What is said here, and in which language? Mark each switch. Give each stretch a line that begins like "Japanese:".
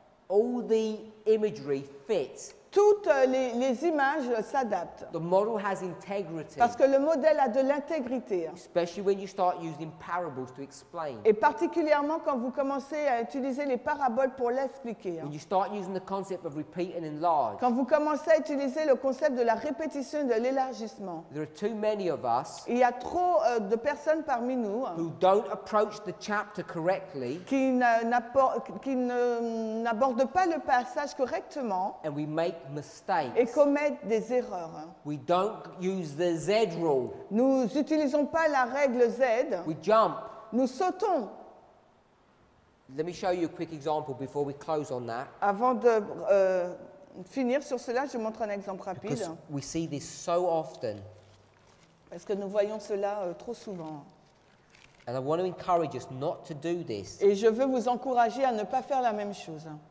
English: All the imagery fits.
French: Toutes les images s'adaptent.
English: The model has integrity.
French: Parce que le modèle a de l'intégrité.
English: Especially when you start using parables to explain.
French: Et particulièrement quand vous commencez à utiliser les paraboles pour l'expliquer.
English: When you start using the concept of repeat and enlarge.
French: Quand vous commencez à utiliser le concept de la répétition et de l'élargissement.
English: There are too many of us.
French: Il y a trop de personnes parmi nous.
English: Who don't approach the chapter correctly.
French: Qui n'abordent pas le passage correctement.
English: And we make mistakes.
French: Et commettre des erreurs.
English: We don't use the Z rule.
French: Nous n'utilisons pas la règle Z.
English: We jump.
French: Nous sautons.
English: Let me show you a quick example before we close on that.
French: Avant de finir sur cela, je montre un exemple rapide.
English: Because we see this so often.
French: Parce que nous voyons cela trop souvent.
English: And I want to encourage us not to do this.
French: Et je veux vous encourager à ne pas faire la même chose.